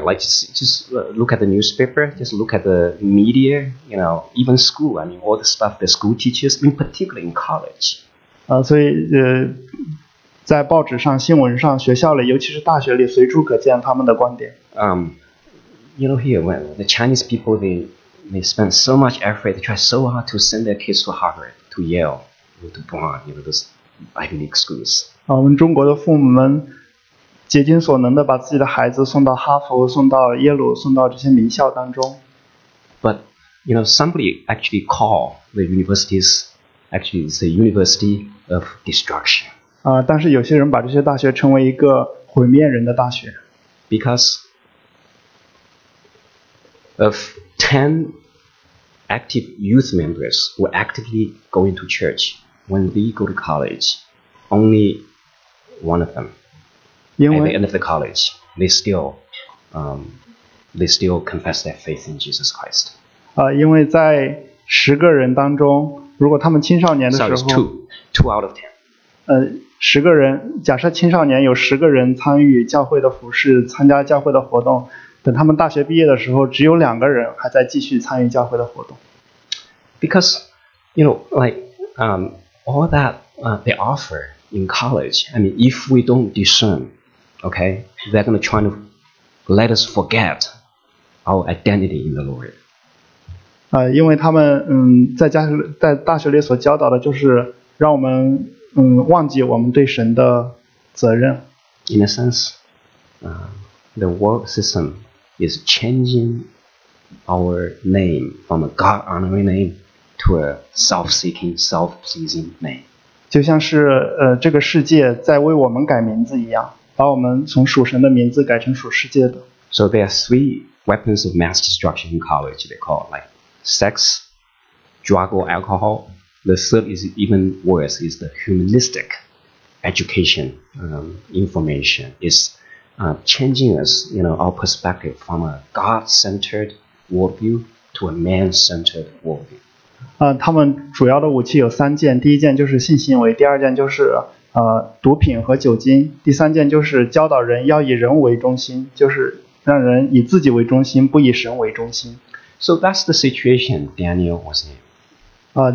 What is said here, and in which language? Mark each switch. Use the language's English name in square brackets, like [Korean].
[English] Like just look at the newspaper, just look at the media. You know, even school. I mean, all the stuff the school teaches, in particular in college. [Chinese] 所以在报纸上、新闻上、学校里，尤其是大学里，随处可见他们的观点。 [English] You know, here when the Chinese people they spend so much effort, they try so hard to send their kids to Harvard, to Yale, or to Brown, you know, those Ivy League schools. [Chinese] 我们中国的父母们竭尽所能的把自己的孩子送到哈佛、送到耶鲁、送到这些名校当中。 [English] But you know, somebody actually called the universities actually it's a university of destruction. [Chinese] 但是有些人把这些大学称为一个毁灭人的大学。 [English] Because of 10 active youth members who actively go into church when they go to college, only one of them at the end of the college, they still confess their faith in Jesus Christ. [Chinese] 因为在十个人当中，如果他们青少年的时候 [English] Sorry, it's two out of 10. [Chinese] 十个人，假设青少年有十个人参与教会的服事，参加教会的活动，等他们大学毕业的时候，只有两个人还在继续参与教会的活动。 [English] Because, you know, like, all that they offer in college, I mean, if we don't discern, okay, they're going to try to let us forget our identity in the Lord. [Chinese] 因为他们在大学里所教导的就是让我们忘记我们对神的责任。 [English] In a sense, the world system is changing our name from a God-honoring name to a self-seeking, self-pleasing name. [Chinese] 就像是这个世界在为我们改名字一样，把我们从属神的名字改成属世界的。 [English] So there are three weapons of mass destruction in college. They call it like sex, drug or alcohol. The third is even worse, is the humanistic education information. It's changing us, you know, our perspective from a God-centered worldview to a man-centered worldview. [Chinese] 他们主要的武器有三件，第一件就是性行为，第二件就是毒品和酒精，第三件就是教导人要以人为中心，就是让人以自己为中心，不以神为中心。 [English] So that's the situation Daniel was in.